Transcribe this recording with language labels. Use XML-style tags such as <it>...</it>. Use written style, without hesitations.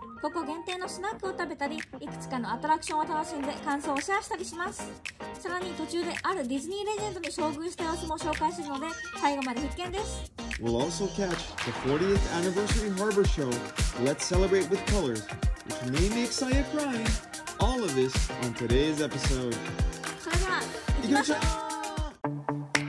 <ja>ここ限定のスナックを食べたり、いくつかのアトラクションを楽しんで感想をシェアしたりします。さらに途中であるディズニーレジェンドに遭遇した様子も紹介するので、最後まで必見です。</ja> <en>We'll also catch the 40th anniversary harbor show, Let's Celebrate with Colors, which may make Saya cry. All of this on today's episode.</en> <ja>それでは、行きましょう。</ja>